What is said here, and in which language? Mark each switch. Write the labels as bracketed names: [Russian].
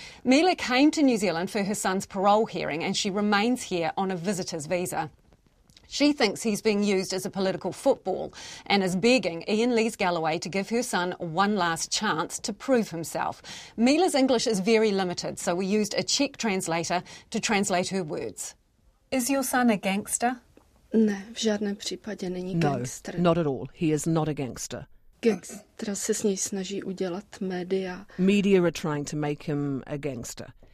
[English] Mila came to New Zealand for her son's parole hearing and she remains here on a visitor's visa. She thinks he's being used as a political football and is begging Ian Lees-Galloway to give her son one last chance to prove himself. Mila's English is very limited, so we used a Czech translator to translate her words. Is your son a gangster? [Czech] Ne, v žádném případě není gangster. [English] No, not at all. He is not a gangster. [Czech] Gangstera se s ní snaží udělat média. [English] Media are trying to make him a gangster.